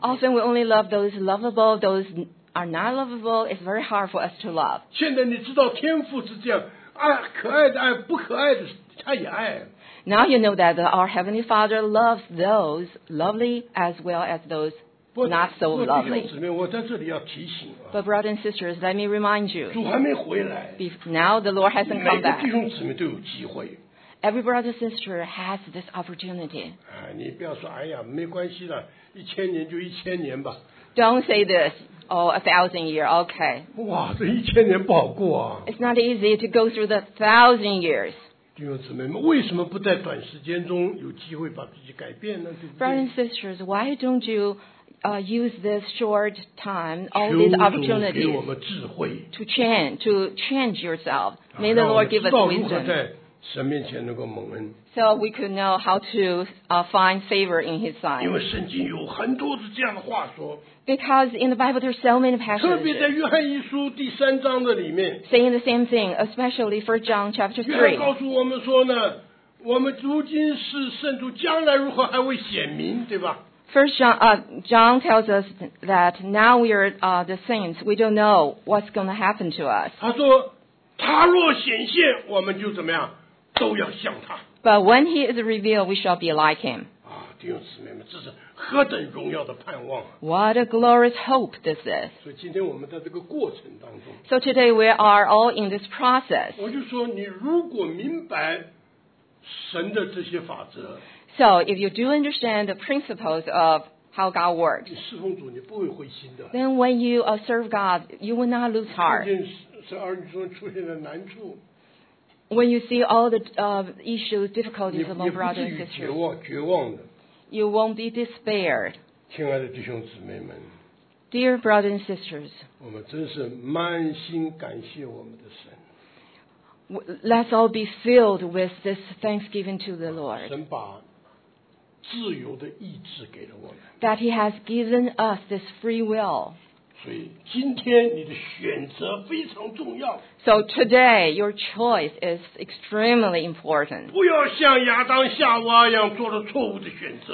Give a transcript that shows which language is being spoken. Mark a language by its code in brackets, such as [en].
[en] Often we only love those lovable, those are not lovable. It's very hard for us to love. [zh] 现在你知道天父是这样，爱可爱的爱，不可爱的他也爱。 [en] Now you know that our Heavenly Father loves those lovely as well as those not so lovely. [zh] 弟兄姊妹，我在这里要提醒、啊。 [en] But brothers and sisters, let me remind you. [zh] 主还没回来。 [en] Now the Lord hasn't come back. [zh] 每个弟兄姊妹都有机会。 [en] Every brother and sister has this opportunity. [zh] 你不要说哎呀没关系的，一千年就一千年吧。 [en] Don't say this. Oh, 1,000 years. Okay. [zh] 哇，这一千年不好过啊。 [en] It's not easy to go through the 1,000 years. [zh] 弟兄姊妹们，为什么不在短时间中有机会把自己改变呢？对不对 [en] ？Brothers and sisters, why don't you use this short time, all these opportunities, [zh] 求主给我们智慧 [en] to change yourself. May the Lord give us wisdom. [zh] 神面前能够蒙恩 [en] so we could know how to find favor in His sight. [zh] 因为圣经有很多的这样的话说 [en] Because in the Bible there are so many passages. [zh] 特别在约翰一书第三章的里面 [en] saying the same thing, especially for John chapter 3. [zh] 约翰告诉我们说呢，我们如今是圣徒，将来如何还会显明，对吧？ [en] First John, John tells us that now we are the saints. We don't know what's going to happen to us. [zh] 他说，他若显现，我们就怎么样？都要像他。 [en] But when he is revealed, we shall be like him. [zh] 啊，弟兄姊妹们，这是何等荣耀的盼望、啊、 [en] ！What a glorious hope this is. [zh] 所以今天我们在这个过程当中。 [en] So today we are all in this process. [zh] 我就说，你如果明白神的这些法则。 [en] So if you do understand the principles of how God works. [zh] 你侍奉主，你不会灰心的。 [en] Then when you serve God, you will not lose heart. [zh] 看见神儿女中出现的难处。 [en] When you see all the issues, difficulties of our brothers and sisters, [zh] 绝望 [en] you won't be despaired. [zh] 亲爱的弟兄姊妹们 [en] Dear brothers and sisters, [zh] 我们真是满心感谢我们的神 [en] Let's all be filled with this thanksgiving to the Lord. [zh] 神把自由的意志给了我们 [en] That He has given us this free will. [zh] 所以今天你的选择非常重要。 [en] So today your choice is extremely important. [zh] 不要像亚当夏娃一样做了错误的选择。